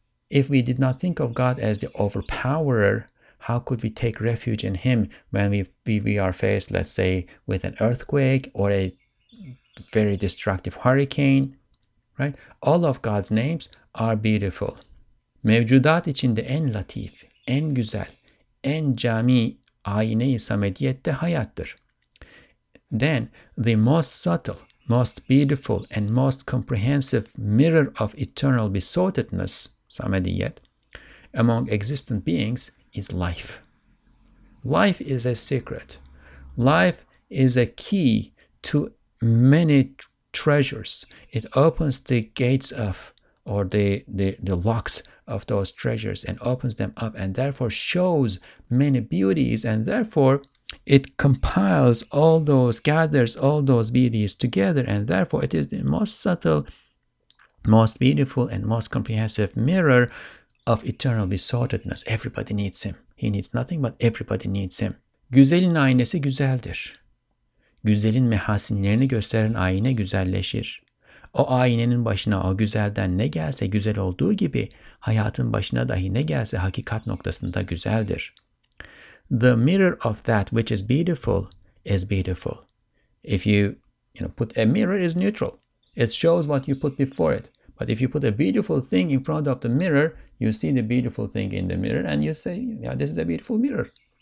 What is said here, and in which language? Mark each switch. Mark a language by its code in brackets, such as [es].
[en] If we did not think of God as the overpowerer, how could we take refuge in Him when we are faced, let's say, with an earthquake or a very destructive hurricane, right? All of God's names are beautiful. [tr] Mevcudat içinde en latif, en güzel, en cami ayine-i samediyette hayattır. [en] Then, the most subtle, most beautiful and most comprehensive mirror of eternal besottedness, samadhi yet, among existent beings is life. Life is a secret. Life is a key to many treasures. It opens the gates of, or the locks of those treasures and opens them up, and therefore shows many beauties, and therefore it compiles all those, gathers all those beauties together, and therefore it is the most subtle, most beautiful, and most comprehensive mirror of eternal besottedness. Everybody needs him. He needs nothing, but everybody needs him. [tr] Güzelin aynesi güzeldir. Güzelin mehasinlerini gösteren ayna güzelleşir. O aynenin başına o güzelden ne gelse güzel olduğu gibi, hayatın başına dahi ne gelse hakikat noktasında güzeldir. [en] The mirror of that which is beautiful is beautiful. If you put a mirror, is neutral. It shows what you put before it. But if you put a beautiful thing in front of the mirror, you see the beautiful thing in the mirror and you say, yeah, this is a beautiful mirror.